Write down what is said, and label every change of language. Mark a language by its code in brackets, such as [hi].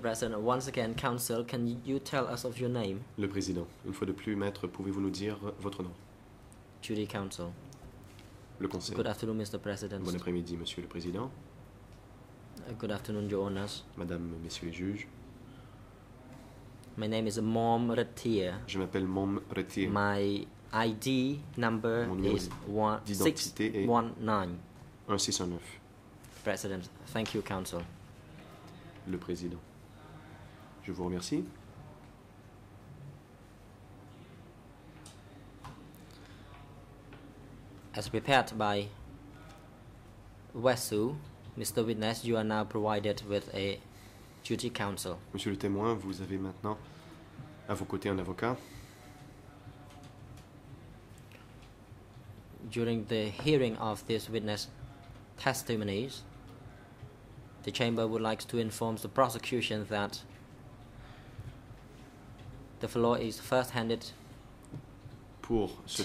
[en] President, once again, counsel, can you tell us of your name? [fr] Le Président, une fois de plus, maître, pouvez-vous nous dire votre nom? [en] Judy counsel. [fr] Le Conseil. [en] Good afternoon, Mr. President. [fr] Bon après-midi, Monsieur le Président. [en] Good afternoon, Your Honors. [fr] Madame, Messieurs les juges. [en] My name is Mom Retier. [fr] Je m'appelle Mom Retier. [en] My ID number is 1619. President, thank you, counsel. [fr] Le président. Je vous remercie. [en] As prepared by Wesu, Mr. Witness, you are now provided with a duty counsel. [fr] Monsieur le témoin, vous avez maintenant à vos côtés un avocat. [en] During the hearing of this witness testimonies, the chamber would like to inform the prosecution that the floor is first handed [fr] pour ce